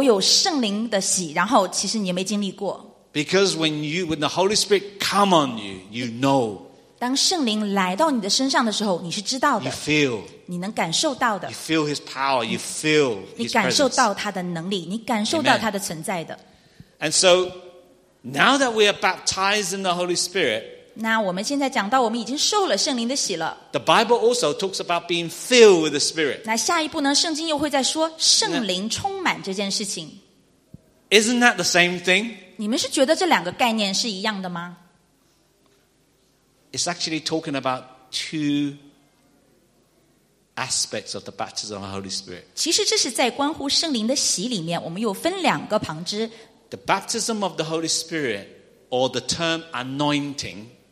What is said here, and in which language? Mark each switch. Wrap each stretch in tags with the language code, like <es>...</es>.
<zh>你不可能装的说，哦，我有圣灵的喜，然后其实你也没经历过。</zh> <en>Because when the Holy Spirit come on you, you know.</en> <zh>当圣灵来到你的身上的时候，你是知道的。</zh> <en>You feel.</en> <zh>你能感受到的。</zh> <en>You feel His power. You feel His presence.</en> <zh>你感受到他的能力，你感受到他的存在的。</zh> <en>And so, now that we are baptized in the Holy Spirit.</en> <zh>那我们现在讲到，我们已经受了圣灵的洗了。</zh> <en>The Bible also talks about being filled with the Spirit.</en> <zh>那下一步呢，圣经又会在说圣灵充满这件事情。</zh> <en>Isn't that the same thing?</en> <zh>你们是觉得这两个概念是一样的吗？</zh> <en>It's actually talking about two aspects of the baptism of the Holy Spirit.</en> <zh>其实这是在关乎圣灵的洗里面，我们有分两个旁枝。</zh> <en>The baptism of the Holy Spirit, or the term anointing.</en>